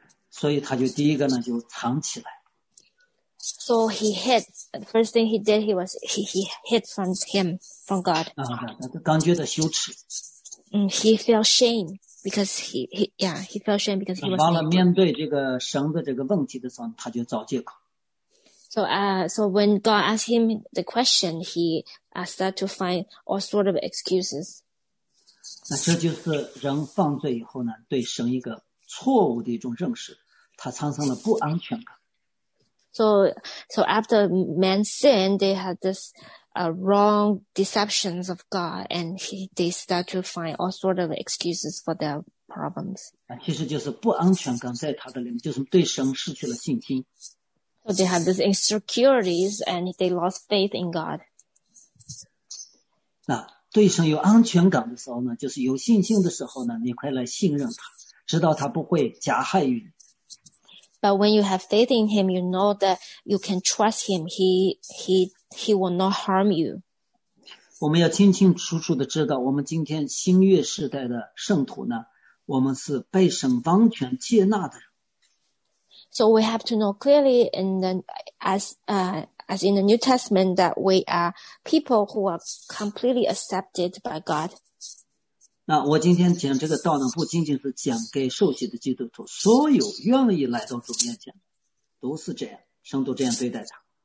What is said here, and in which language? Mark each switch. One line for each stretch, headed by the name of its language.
Chinese: 所以他就第一个呢就藏起来。
English: So he hid. The first thing he did, he hid from God.
Chinese: 啊，感觉到羞耻。
English: He felt shame. Because he felt shame because he was.
Chinese: 忘了面对这个神的这个问题的时候，他就找借口。
English: So when God asked him the question, he started to find all sort of excuses.
Chinese: 那这就是人犯罪以后呢，对神一个错误的一种认识。他产生了不安全感。
English: So after man sinned, they had this wrong deceptions of God, and they start to find all sort of excuses for their problems.
Chinese: 其实就是不安全感在他的里面，就是对神失去了信心。
English: So they had these insecurities, and they lost faith in God.
Chinese: 那对神有安全感的时候呢，就是有信心的时候呢，你快来信任他，知道他不会加害于你。
English: But when you have faith in him, you know that you can trust him. He will not harm you.
Chinese: 我们要清清楚楚地知道，我们今天新约时代的圣徒呢，我们是被神完全接纳的。
English: So we have to know clearly in the, as in the New Testament that we are people who are completely accepted by God.
Chinese: 那我今天讲这个道呢，不仅仅是讲给受洗的基督徒，所有愿意来到主面前都是这样，神都这样对待他。